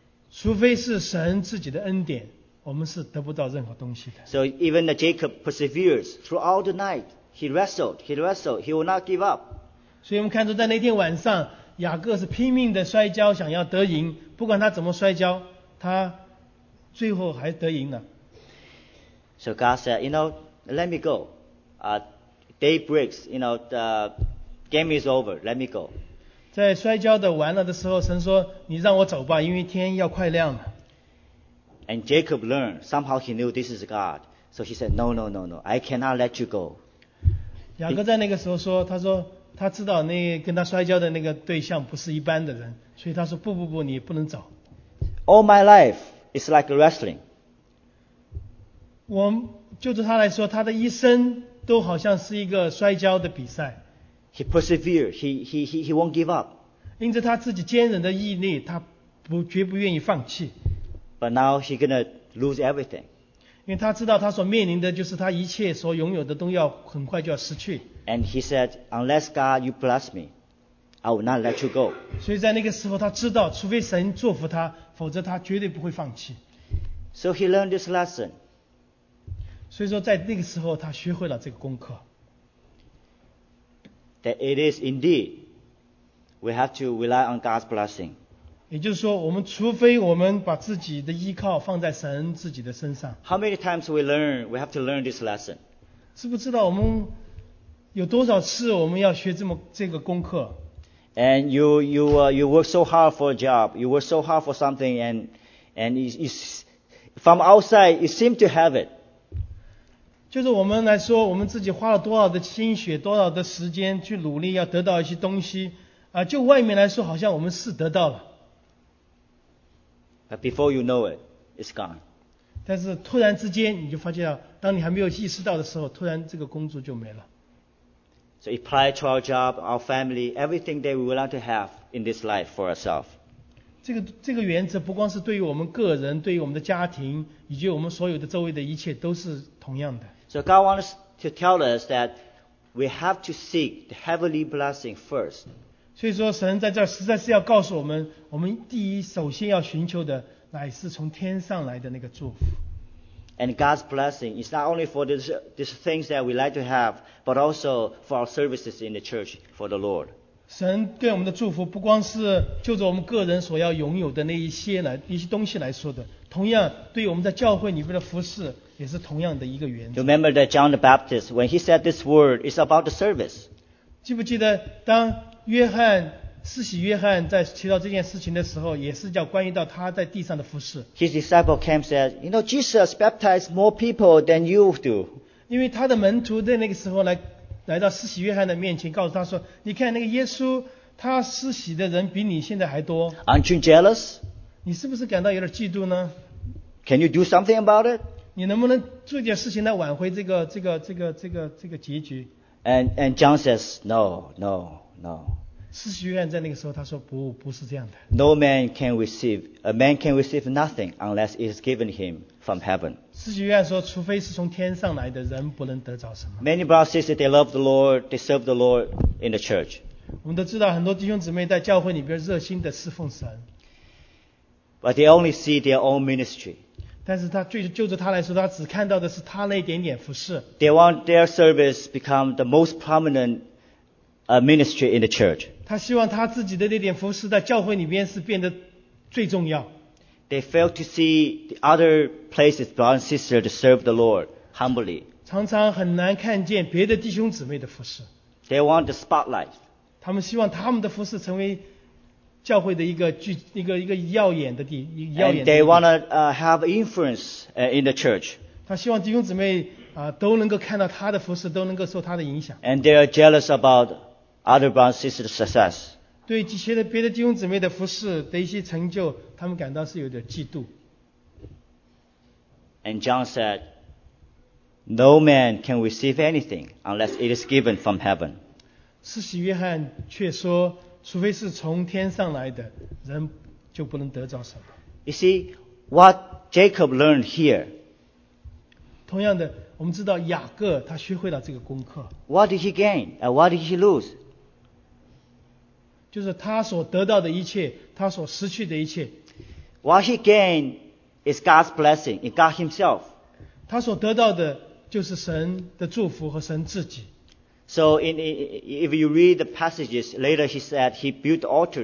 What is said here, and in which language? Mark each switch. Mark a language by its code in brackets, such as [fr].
[zh] 除非是神自己的恩典，我们是得不到任何东西的。 [en] So even Jacob perseveres throughout the night. He wrestled. He will not give up. [zh] 所以我们看到在那天晚上，雅各是拼命的摔跤，想要得赢。不管他怎么摔跤，他最后还得赢了。 [en] So God said, you know, let me go. Day breaks. You know, the game is over. Let me go. [zh] 在摔跤的完了的时候，神说：“你让我走吧，因为天要快亮了。” [en] And Jacob learned somehow he knew this is God, so he said, "No, no, no, no, I cannot let you go." [zh] 雅各在那个时候说：“他说他知道那跟他摔跤的那个对象不是一般的人，所以他说不不不，你不能走。 [en] All my life is like wrestling. [zh] 我就对他来说，他的一生都好像是一个摔跤的比赛。 [en] He persevered. He won't give up. [zh] 因着他自己坚韧的毅力，他不绝不愿意放弃。 [en] But now he's gonna lose everything. [zh] 因为他知道他所面临的就是他一切所拥有的都要很快就要失去。 [en] And he said, "Unless God you bless me, I will not let you go." [zh] 所以在那个时候，他知道，除非神祝福他，否则他绝对不会放弃。 [en] So he learned this lesson. [zh] 所以说，在那个时候，他学会了这个功课。 [en] That it is indeed, we have to rely on God's blessing. [zh] 也就是说，我们除非我们把自己的依靠放在神自己的身上。 [en] How many times we have to learn this lesson? [zh] 知不知道我们？有多少次我们要学这么这个功课 [en] ？And you work so hard for a job, you work so hard for something, and it's from outside you seem to have it. [zh] 就是我们来说，我们自己花了多少的心血、多少的时间去努力要得到一些东西啊？就外面来说，好像我们是得到了。 [en] But before you know it, it's gone. [zh] 但是突然之间，你就发现，当你还没有意识到的时候，突然这个工作就没了。 [en] So it applies to our job, our family, everything that we would like to have in this life for ourselves. [zh] 这个原则不光是对于我们个人，对于我们的家庭，以及我们所有的周围的一切都是同样的。 [en] So God wants to tell us that we have to seek the heavenly blessing first. [zh] 所以说神在这实在是要告诉我们，我们第一首先要寻求的乃是从天上来的那个祝福。 [en] And God's blessing is not only for these things that we like to have, but also for our services in the church for the Lord. [zh] 神对我们的祝福不光是就着我们个人所要拥有的那一些来一些东西来说的，同样对我们在教会里面的服事也是同样的一个原则。 [en] Remember that John the Baptist, when he said this word, it's about the service. [zh] 记不记得当约翰施洗约翰在提到这件事情的时候，也是叫关于到他在地上的服事。 [en] His disciple came said, "You know, Jesus baptized more people than you do." [zh] 因为他的门徒在那个时候来到施洗约翰的面前，告诉他说：“你看那个耶稣，他施洗的人比你现在还多。” [en] Aren't you jealous? [zh] 你是不是感到有点嫉妒呢？ [en] Can you do something about it? [zh] 你能不能做点事情来挽回这个结局？ [en] And John says, "No, no, no." [zh] 施洗约翰在那个时候他说不是这样的。 [en] No man can receive, a man can receive nothing unless it is given him from heaven. [zh] 施洗约翰说除非是从天上来的人不能得着什么。 [en] Many brothers and sisters, they love the Lord, they serve the Lord in the church. [zh] 我们都知道很多弟兄姊妹在教会里边热心的侍奉神。 [en] But they only see their own ministry. [zh] 但是他就着他来说他只看到的是他那一点点服事。 [en] They want their service become the most prominent a ministry in the church. [zh] 他希望他自己的那点服事在教会里面是变得最重要。 [en] They fail to see the other places, brothers and sisters, to serve the Lord humbly. [zh] 常常很难看见别的弟兄姊妹的服事。 [en] They want the spotlight. [zh] 他们希望他们的服事成为教会的一个耀眼的地。 [en] And they want to have influence in the church. [zh] 他希望弟兄姊妹都能够看到他的服事，都能够受他的影响。 [en] And they are jealous about other brothers and sisters' success. [zh] 对一些别的弟兄姊妹的服事的一些成就，他们感到是有点嫉妒。 [en] And John said, "No man can receive anything unless it is given from heaven." [zh] 施洗约翰却说，除非是从天上来的，人就不能得着什么。 [en] You see what Jacob learned here. [zh] 同样的。我们知道雅各他学会了这个功课。 [en] What did he gain? And what did he lose? [zh] 就是他所得到的一切，他所失去的一切。 [en] What he gained is God's blessing, in God himself. [zh] 他所得到的就是神的祝福和神自己。 [en] So if you read the passages later, he said he built the altar.